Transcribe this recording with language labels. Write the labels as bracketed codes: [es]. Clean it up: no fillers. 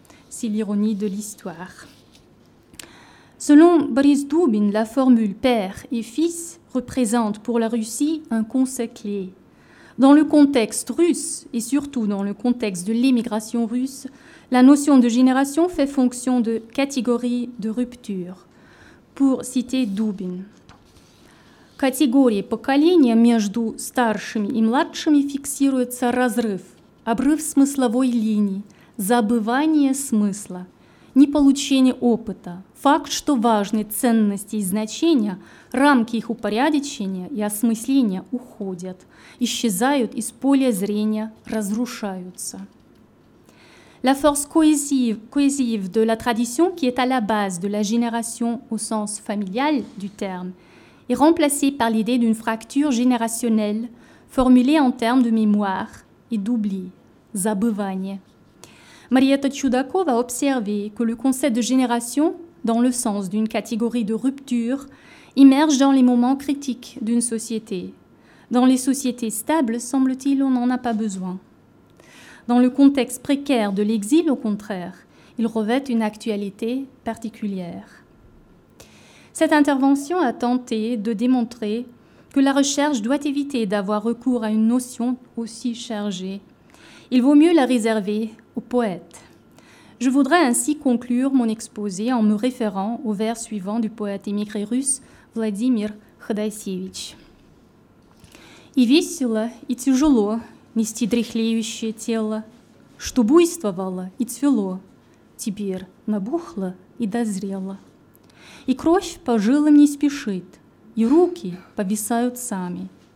[fr] C'est l'ironie de l'histoire. Selon Boris Dubin, la formule « père » et « fils » représente pour la Russie un concept clé. Dans le contexte russe, et surtout dans le contexte de l'émigration russe, la notion de génération fait fonction de catégorie de rupture. Pour citer Dubin, [ru] «Категория поколения между старшими и младшими фиксируется разрыв, обрыв смысловой линии, забывание смысла, неполучение опыта, факт, что важные ценности и значения, рамки их упорядочения и осмысления уходят». Исчезают из поля зрения, разрушаются. [fr] La force cohésive de la tradition, qui est à la base de la génération au sens familial du terme, est remplacée par l'idée d'une fracture générationnelle formulée en termes de mémoire et d'oubli, забывание. Marietta Chudakova a observé que le concept de génération, dans le sens d'une catégorie de rupture, émerge dans les moments critiques d'une société. Dans les sociétés stables, semble-t-il, on n'en a pas besoin. Dans le contexte précaire de l'exil, au contraire, il revêt une actualité particulière. Cette intervention a tenté de démontrer que la recherche doit éviter d'avoir recours à une notion aussi chargée. Il vaut mieux la réserver aux poètes. Je voudrais ainsi conclure mon exposé en me référant au vers suivant du poète émigré russe Владимир Ходосевич. [ru] И весело, и тяжело нести дряхлеющее тело, что буйствовало и цвело, теперь набухло и дозрело. И кровь по жилам не спешит, и руки повисают сами.